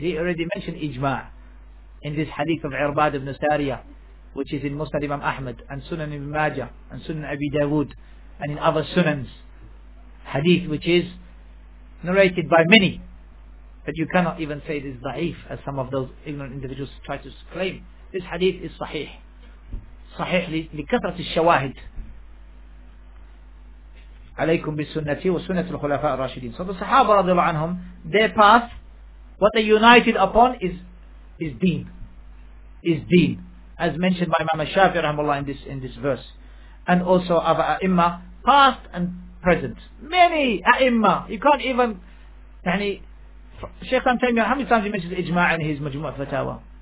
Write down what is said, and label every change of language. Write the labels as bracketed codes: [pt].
[en] He already mentioned ijma' in this hadith of Irbad ibn Sariyah, which is in Muslim Imam Ahmad, and Sunan ibn Majah, and Sunan Abi Dawood, and in other sunans. Hadith which is narrated by many, but you cannot even say it is da'if, as some of those ignorant individuals try to claim. This hadith is sahih. [ar] Sahih لكثرة الشواهد. عليكم بسنتي وسنة الخلفاء الراشدين. [en] So the Sahaba رضي الله عنهم, their path, what they united upon is deen, as mentioned by Imam Shafi'i rahimahullah in this verse, and also of a'imma, past and present. Many a'imma. You can't even, يعني, Shaykh Tham Taymiyyah, how many times he mentions ijma' in his Majmu' Fatawa?